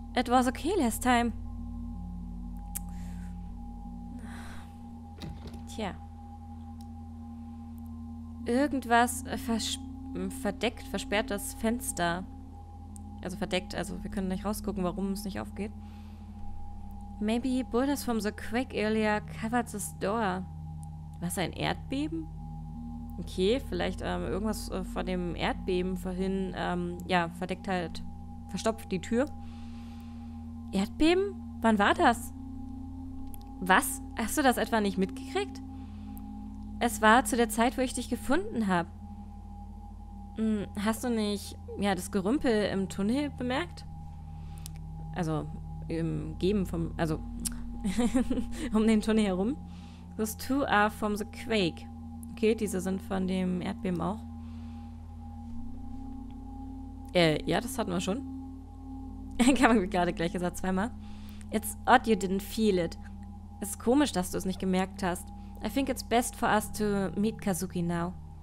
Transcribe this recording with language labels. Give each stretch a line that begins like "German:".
English: It was okay last time.
German: Tja. Irgendwas versperrt das Fenster. Also verdeckt, also wir können nicht rausgucken, warum es nicht aufgeht.
English: Maybe Boulders from the Quake earlier covered this door.
German: Was, ein Erdbeben? Okay, vielleicht irgendwas von dem Erdbeben vorhin, ja, verdeckt halt, verstopft die Tür. Erdbeben? Wann war das? Was? Hast du das etwa nicht mitgekriegt? Es war zu der Zeit, wo ich dich gefunden habe. Hast du nicht, ja, das Gerümpel im Tunnel bemerkt? Also, im Geben vom, also, um den Tunnel herum.
English: Those two are from the Quake.
German: Okay, diese sind von dem Erdbeben auch. Ja, das hatten wir schon. Kann man gerade gleich gesagt, zweimal.
English: It's odd you didn't feel it.
German: Es ist komisch, dass du es nicht gemerkt hast.
English: I think it's best for us to meet Kazuki now.